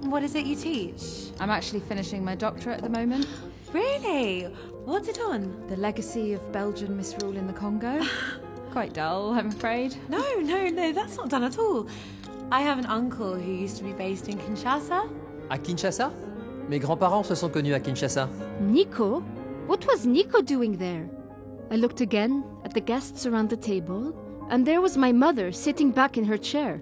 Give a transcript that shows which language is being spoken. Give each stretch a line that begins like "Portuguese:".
English: What is it you teach? I'm actually finishing my doctorate at the moment. Really? What's it on? The legacy of Belgian misrule in the Congo. Quite dull, I'm afraid. No, that's not done at all. I have an uncle who used to be based in Kinshasa.
French: À Kinshasa? Mes grands-parents se sont connus à Kinshasa.
English: Nico? What was Nico doing there? I looked again at the guests around the table, and there was my mother sitting back in her chair.